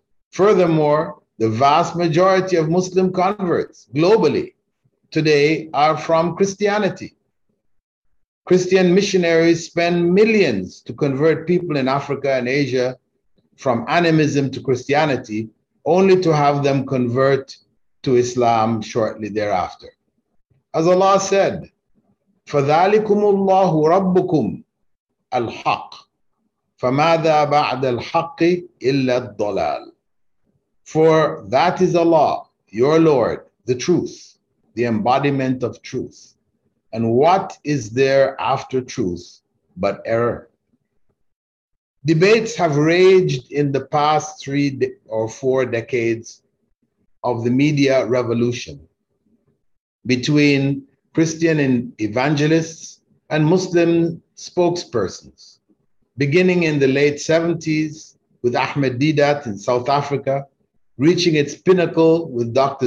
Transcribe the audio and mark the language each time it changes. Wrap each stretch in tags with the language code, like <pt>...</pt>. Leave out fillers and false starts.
<en>Furthermore, the vast majority of Muslim converts globally today are from Christianity. Christian missionaries spend millions to convert people in Africa and Asia from animism to Christianity, only to have them convert to Islam shortly thereafter. As Allah said,</en> <ar>فَذَلِكُمُ اللَّهُ رَبُّكُمْ الْحَقِّ فَمَاذَا بَعْدَ الْحَقِّ إِلَّا الضَّلَالِ.</ar> <en>For that is Allah, your Lord, the truth, the embodiment of truth. And what is there after truth but error? Debates have raged in the past three or four decades of the media revolution between Christian evangelists and Muslim spokespersons, beginning in the late 70s with Ahmed Didat in South Africa, reaching its pinnacle with Dr.</en>